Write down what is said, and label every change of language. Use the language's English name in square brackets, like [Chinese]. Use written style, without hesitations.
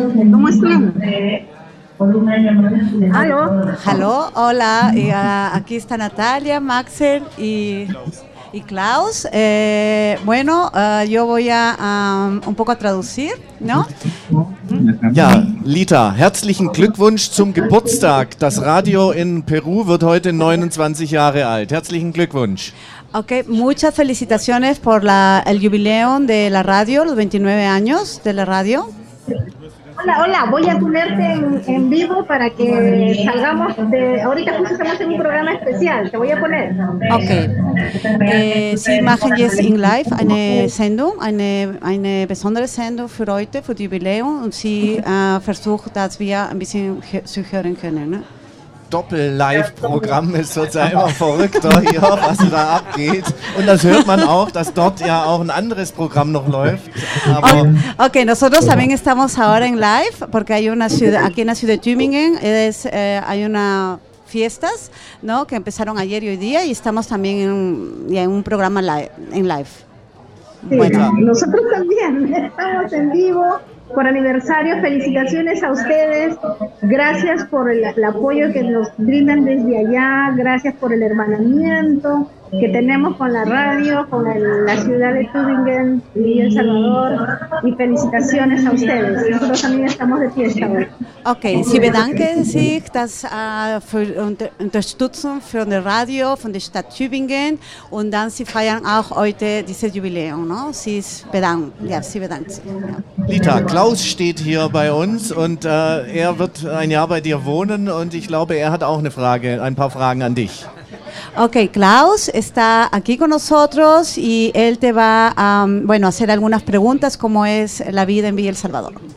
[Spanish] ¿Cómo están? [English] Hello. Hello, hola. [Spanish] Y, aquí está Natalia, Maxel y Klaus. Bueno, yo voy a un poco a traducir, ¿no? [German] Ja, Lita, herzlichen Glückwunsch zum Geburtstag. Das Radio in Peru wird heute 29 Jahre alt. Herzlichen Glückwunsch. [Spanish] Okay, muchas felicitaciones por la el jubileo de la radio, los 29 años de la radio. Hola, hola, voy a ponerte en vivo para que salgamos de... Ahorita justo estamos en un programa especial, te voy a poner. Okay. [German] Sie machen jetzt in live eine Sendung, eine besondere Sendung für heute, für die Jubiläum, und sie versucht, dass wir ein bisschen zu hören können. Ne? Doppel-Live-Programm ist sozusagen immer verrückter hier, was da abgeht. Und das hört man auch, dass dort ja auch ein anderes Programm noch läuft. Aber okay, [Spanish] nosotros también estamos ahora en live, porque hay una ciudad, aquí en la ciudad de Tübingen es, hay una fiestas, ¿no? Que empezaron ayer y hoy día y estamos también en, ya en un programa en live. Sí, bueno. Nosotros también estamos en vivo. Por aniversario, felicitaciones a ustedes, gracias por el apoyo que nos brindan desde allá, gracias por el hermanamiento que tenemos con la radio, con la ciudad de Tübingen y El Salvador, y felicitaciones a ustedes, nosotros también estamos de fiesta hoy. [German] Okay, Sie bedanken sich das für Unterstützung von der Radio, von der Stadt Tübingen, und dann Sie feiern auch heute dieses Jubiläum, no? Sie ist bedankt, ja, Sie bedankt sich. Ja. Lita, Klaus steht hier bei uns und er wird ein Jahr bei dir wohnen und ich glaube, er hat auch eine Frage, ein paar Fragen an dich. [Spanish] Okay, Klaus está aquí con nosotros y él te va a bueno, hacer algunas preguntas, cómo es la vida en Villa El Salvador.